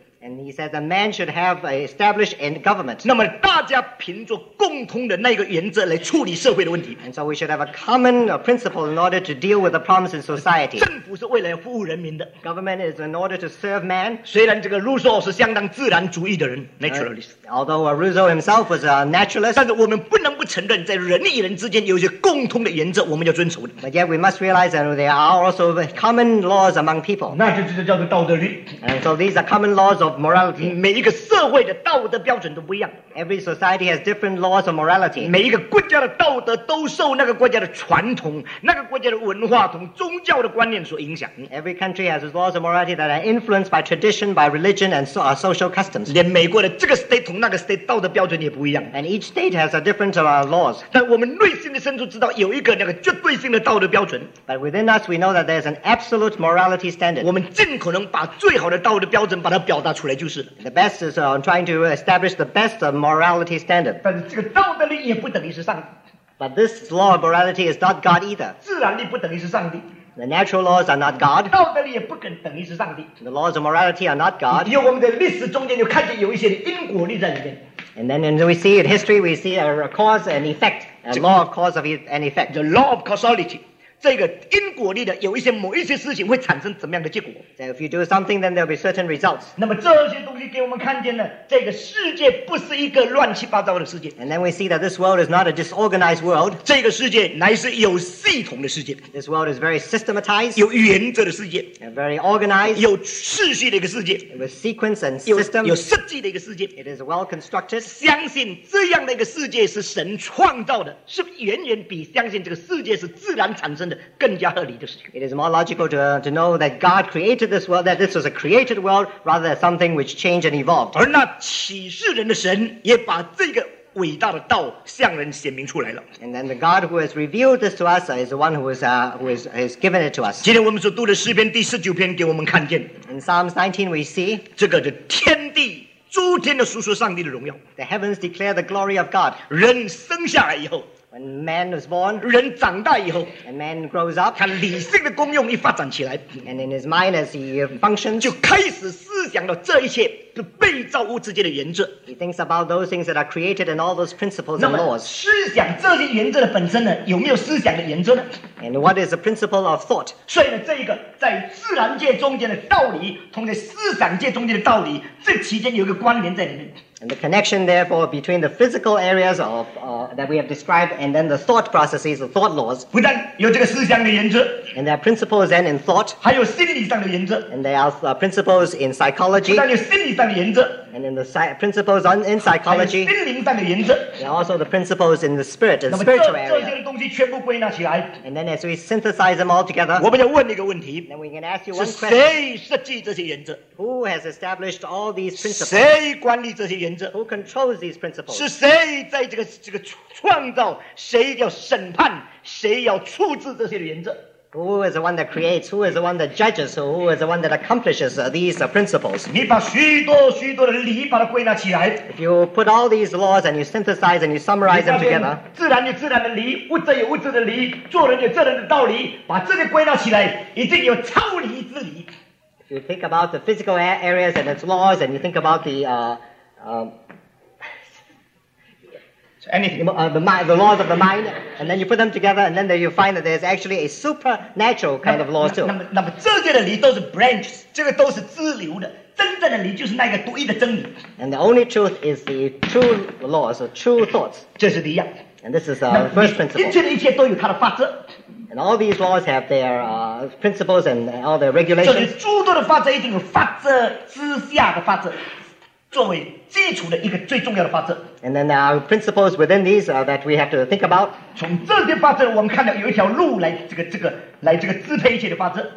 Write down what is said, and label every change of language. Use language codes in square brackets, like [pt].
[en] And he said the man should have established a government. [zh] 那么大家凭着共同的那个原则来处理社会的问题。 [en] And so we should have a common principle in order to deal with the problems in society. [zh] 政府是为了服务人民的。 [en] Government is in order to serve man. [zh] 虽然这个 Rousseau 是相当自然主义的人 ，naturalist. [en] Although Rousseau himself was a naturalist. [zh] 但是我们不能不承认，在人与人之间有些共同的原则，我们要遵守的。 [en] But yet we must realize that there are also common laws among people. [zh] 那就叫做道德律。 [en] And so these are common laws of morality. [zh] 每一个社会的道德标准都不一样。 [en] Every society has different laws of morality. [zh] 每一个国家的道德都受那个国家的传统、那个国家的文化同宗教的观念所影响。 [en] Every country has its laws of morality that are influenced by tradition, by religion, and social customs. [zh] 连美国的这个 state 同那个 state 道德标准也不一样。 [en] And each state has a different laws. [zh] 但我们内心的深处知道有一个那个绝对性的道德标准。 [en] But within us, we know that there is an absolute morality standard. [zh] 我们尽可能把最好的道德标准把它表达出来就是了。 [en] The best is trying to establish the best of morality standard. [zh] 但是这个道德律也不等于是上帝。 [en] But this law of morality is not God either. [zh] 自然律不等于是上帝。 [en] The natural laws are not God. [zh] 道德律也不等于是上帝。 [en] The laws of morality are not God. [zh] 因为我们的历史中间就看见有一些因果律在里面。 [en] And then as we see in history, we see a cause and effect, a law of cause and effect. The law of causality. [zh] 这个因果律的有一些某一些事情会产生怎么样的结果 [en] so if you do something then there will be certain results [zh] 那么这些东西给我们看见了这个世界不是一个乱七八糟的世界 [en] and then we see that this world is not a disorganized world [zh] 这个世界乃是有系统的世界 [en] this world is very systematized [zh] 有原则的世界 [en] and very organized [zh] 有秩序的一个世界 [en] with sequence and system [zh] 有设计的一个世界 [en] it is well constructed [zh] 相信这样的一个世界是神创造的是远远比相信这个世界是自然产生的的更加合理的事情。 [en] It is more logical to know that God created this world, that this was a created world, rather than something which changed and evolved. [zh] 而那启示人的神也把这个伟大的道向人显明出来了。 [en] And then the God who has revealed this to us is the one who has given it to us. [zh] 今天我们所读的诗篇第十九篇给我们看见。 [en] In Psalms 19 we see [zh] 这个的天地诸天的述说上帝的荣耀。 [en] The heavens declare the glory of God. [zh] 人生下来以后。 [en] When man was born, [zh] 人长大以后 [en] and man grows up, [zh] 他理性的功用一发展起来 [en] and in his mind as he functions, [zh] 就开始思想到这一切是被造物之间的原则 [en] he thinks about those things that are created and all those principles and laws. [zh] 思想这些原则的本身呢有没有思想的原则呢 [en] and what is the principle of thought? [zh] 所以呢这一个在自然界中间的道理同在思想界中间的道理这期间有一个关联在里面 [en] And the connection, therefore, between the physical areas of, that we have described and then the thought processes, the thought laws. [zh] 不但有这个思想的原则, [en] and there are principles then in thought. [zh] 还有心理上的原则, [en] and there are principles in psychology. [zh] 不但有心理上的原则, [en] and in the principles in psychology. [zh] 还有心灵上的原则, [en] there are also the principles in the spirit, the spiritual area. [zh] 那么这些东西全部归纳起来, [en] and then as we synthesize them all together, [zh] 我们要问一个问题, [en] then we can ask you one question. [zh] 是谁设计这些原则? [en] Who has established all these principles? [zh] 谁管理这些原则? [en] Who controls these principles? [zh] 是谁在这个创造？谁要审判？谁要处置这些原则？ [en] Who is the one that creates? Who is the one that judges? Who is the one that accomplishes these principles? [zh] 你把许多许多的理把它归纳起来。 [en] If you put all these laws and you synthesize and you summarize them together, [zh] 自然有自然的理，物质有物质的理，做人有做人的道理，把这些归纳起来，一定有超理之理。 [en] If you think about the physical areas and its laws, and you think about the the laws of the mind, and then you put them together, and then you find that there's actually a supernatural kind of laws too. [zh] 那么这些的理都是 branches, 这个都是支流的。真正的理就是那个独一的真理。 [en] And the only truth is the true laws, the true thoughts. [zh] 这是第一样。 [en] And this is the first principle. [zh] 一切都有它的法则。 [en] And all these laws have their principles and all their regulations. [zh] 就是诸多的法则一定有法则之下的法则。作为基础的一个最重要的法则。 [en] And then there are principles within these that we have to think about. [zh] 从这些法则，我们看到有一条路来这个支配一切的法则。